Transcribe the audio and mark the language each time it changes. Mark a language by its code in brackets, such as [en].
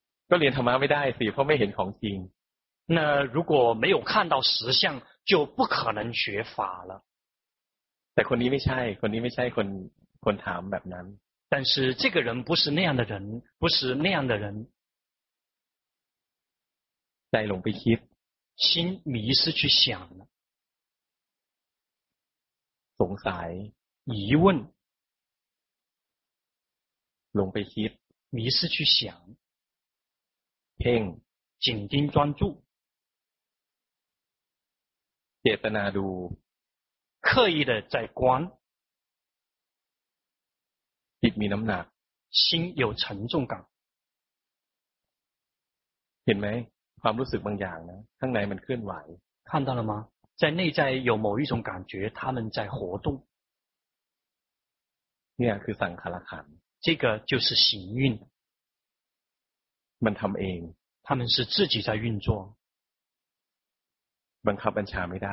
[th] ก็เรียนธรรมะไม่ได้สิเพราะไม่เห็นของจริง [zh] 那如果没有看到实相就不可能学法了 [th] แต่คนนี้ไม่ใช่คนนี้ไม่ใช่คนถามแบบนั้น [zh] 但是这个人不是那样的人不是那样的人 [th] ใจหลงไปคิด [zh] 心迷失去想了 [th] สงสัย [zh] 疑问 [th] หลงไปคิด [zh] 迷失去想 [th] เพ่ง [zh] 紧盯专注 [th] เจตนาดู [zh] 刻意的在观 [th] จิตมีน้ำหนัก [zh] 心有沉重感 [th] เห็นไหมความรู้สึกบางอย่างนะข้างในมันเคลื่อนไหว [zh] 看到了吗在内在有某一种感觉他们在活动 [th] เนี่ยคือสังขารขันธ์ [zh] 这个就是行运 [th] มันทำเอง [zh] 他们是自己在运作 [th] บังคับบัญชาไม่ได